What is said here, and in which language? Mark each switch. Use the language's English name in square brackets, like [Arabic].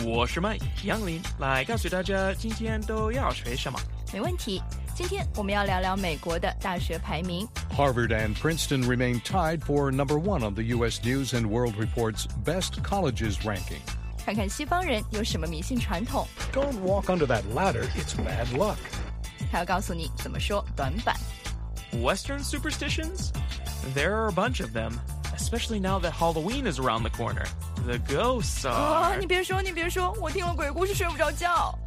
[Chinese] 我是麦杨林，来告诉大家今天都要学什么。没问题，今天我们要聊聊美国的大学排名。 [English] Harvard and Princeton remain tied for number one on the U.S. News and World Report's Best Colleges Ranking. [Chinese] 看看西方人有什么迷信传统。 [English] Don't walk under that ladder, it's bad luck. [Chinese] 还要告诉你怎么说短板。 [English] Western superstitions? There are a bunch of them, especially now that Halloween is around the corner. The ghosts are... [Chinese] 啊，你别说，我听了鬼故事睡不着觉。